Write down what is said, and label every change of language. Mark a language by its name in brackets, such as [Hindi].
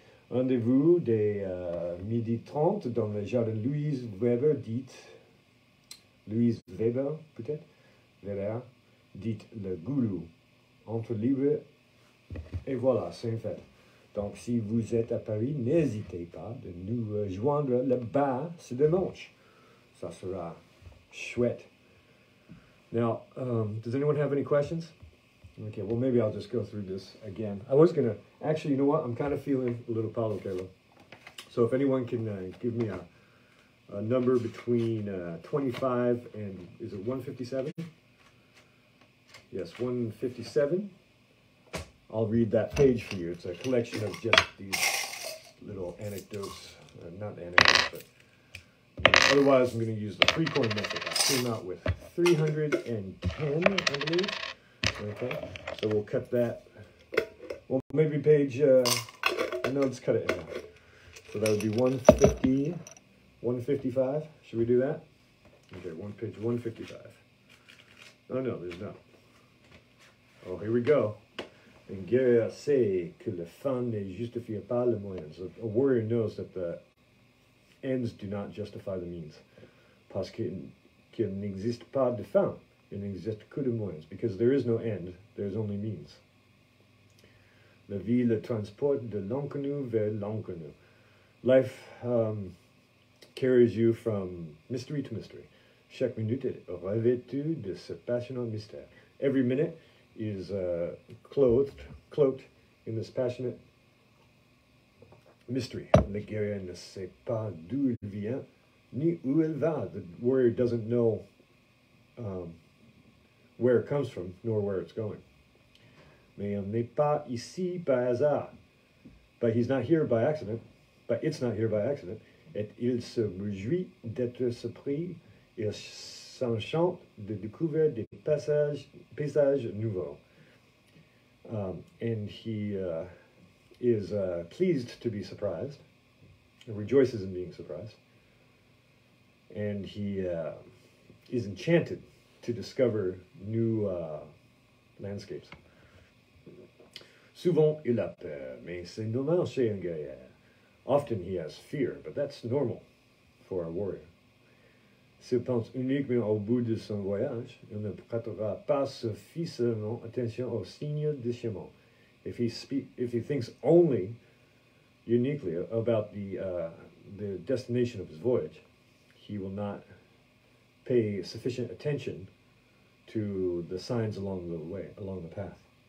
[French] Rendez-vous dès midi 30 dans le jardin Louise Weber, dit Le Goulou, entre libre et voilà, c'est une fête. Donc si vous êtes à Paris, n'hésitez pas de nous joindre là-bas ce dimanche. Ça sera [English] Schwit. Now, does anyone have any questions? Okay, well, maybe I'll just go through this again. I was going to... Actually, you know what? I'm kind of feeling a little Paulo Coelho. So if anyone can give me a number between 25 and... Is it 157? Yes, 157. I'll read that page for you. It's a collection of just these little anecdotes. Not anecdotes, but... Otherwise, I'm going to use the three-coin method. I came out with 310, I believe. Okay, so we'll cut that. Well, maybe page, no, let's cut it in half. So that would be 150, 155. Should we do that? Okay, one page, 155. Oh, no, there's no. Oh, here we go. [French] En guerre, c'est que le fin ne justifie pas les moyens. [English] A warrior knows that the ends do not justify the means. [French] Parce qu'il n'existe pas de fin. Il n'existe que de moyens. [English] Because there is no end, there is only means. [French] La vie, le transport de l'inconnu vers l'inconnu. [English] Life carries you from mystery to mystery. [French] Chaque minute revêtue de ce passionnant mystère. [English] Every minute is cloaked in this passionate mystery. [French] Le guerrier ne sait pas d'où il vient, ni où il va. [English] The warrior doesn't know where it comes from, nor where it's going. [French] Mais il n'est pas ici par hasard. [English] But he's not here by accident. But it's not here by accident. [French] Et il se réjouit d'être surpris. Il s'enchante de découvrir des paysages nouveaux. [English] And he is pleased to be surprised. He rejoices in being surprised. And he is enchanted to discover new landscapes. [French] Souvent il a peur, mais c'est normal chez un guerrier. [English] Often he has fear, but that's normal for a warrior. [French] S'il pense uniquement au bout de son voyage, il ne prêtera pas suffisamment attention aux signes du chemin. [English] If he thinks only uniquely about the destination of his voyage, he will not pay sufficient attention to the signs along the way, along the path.